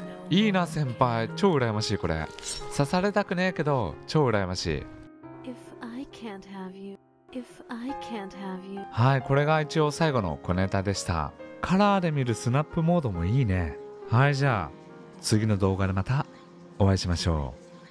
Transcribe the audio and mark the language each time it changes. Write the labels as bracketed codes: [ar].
[ja] いいな先輩、超羨ましい。これ刺されたくねえけど超羨ましい。 [en] If I can't have you, if I can't have you. [ja] はい、これが一応最後の小ネタでした。カラーで見るスナップモードもいいね。はい、じゃあ次の動画でまたお会いしましょう。